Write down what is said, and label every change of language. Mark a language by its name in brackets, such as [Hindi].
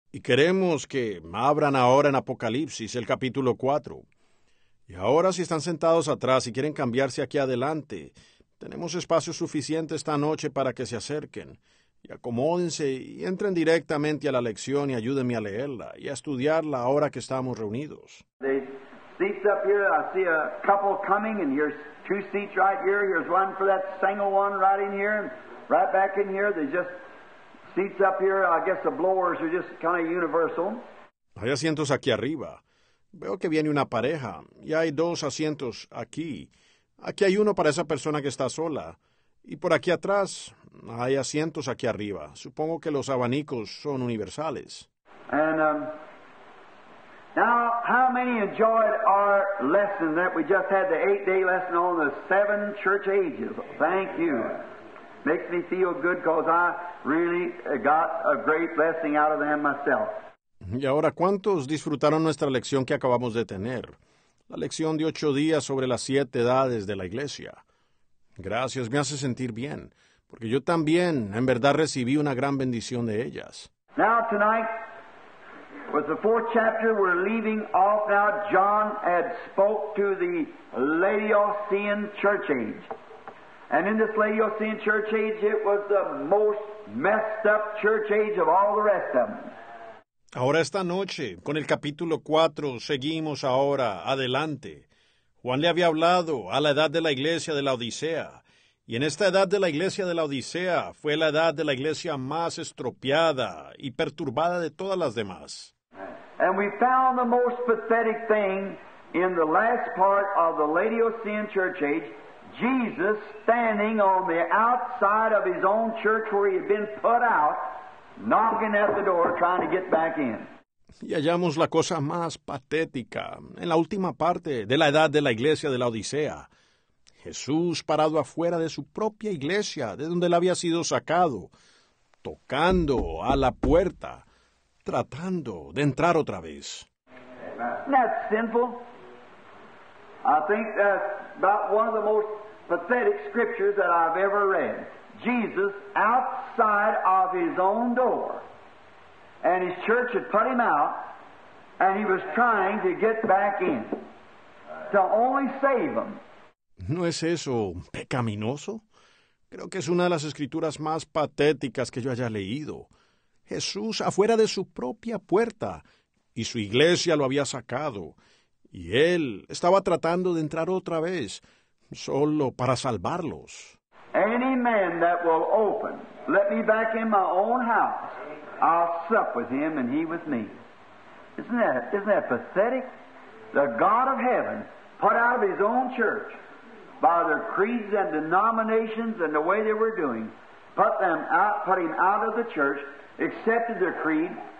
[Spanish] Y queremos que abran ahora en Apocalipsis el capítulo 4. Y ahora si están sentados atrás y quieren cambiarse aquí adelante, tenemos espacio suficiente esta noche para que se acerquen y acomódense y entren directamente a la lección y ayúdenme a leerla y a estudiarla ahora que estamos reunidos. [English] The seats up here, I see a couple coming and here's two seats right here. Here's one for that single one right in here and right back in here. They just seats up here, I guess the blowers are just kind of universal. [Spanish] Hay asientos aquí arriba. Veo que viene una pareja. Y hay dos asientos aquí. Aquí hay uno para esa persona que está sola. Y por aquí atrás, hay asientos aquí arriba. Supongo que los abanicos son universales. [English] And now, how many in enjoyed our lesson that we just had, the 8-day lesson on the seven church ages. Thank you. Makes me feel good because I really got a great blessing out of them myself. [Spanish] Y ahora, ¿cuántos disfrutaron nuestra lección que acabamos de tener? La lección de 8 días sobre las 7 edades de la iglesia. Gracias, me hace sentir bien, porque yo también, en verdad, recibí una gran bendición de ellas. [English] Now tonight, with the 4th chapter, we're leaving off now. John had spoke to the Laodicean church age. And in this Laodicean church age, it was the most messed up church age of all the rest of them. [Spanish] Ahora esta noche, con el capítulo 4, seguimos ahora adelante. Juan le había hablado a la edad de la iglesia de la Odisea, y en esta edad de la iglesia de la Odisea fue la edad de la iglesia más estropeada y perturbada de todas las demás. [English] And we found the most pathetic thing in the last part of the Laodicean church age, Jesus standing on the outside of his own church where he had been put out, knocking at the door, trying to get back in. [Spanish] Y hallamos la cosa más patética en la última parte de la edad de la iglesia de la Odisea. Jesús parado afuera de su propia iglesia, de donde él había sido sacado, tocando a la puerta, tratando de entrar otra vez. [English] That's sinful. I think that's about one of the most pathetic scriptures that I've ever read. Jesus outside of his own door, and his church had put him out, and he was trying to get back in to only save him. [Spanish] ¿No es eso pecaminoso? Creo que es una de las escrituras más patéticas que yo haya leído. Jesús afuera de su propia puerta, y su iglesia lo había sacado, y él estaba tratando de entrar otra vez, solo para salvarlos. [English] Any man that will open, let me back in my own house, I'll sup with him and he with me. Isn't that pathetic? The God of heaven put out of his own church by their creeds and denominations and the way they were doing, put him out of the church, accepted their creed.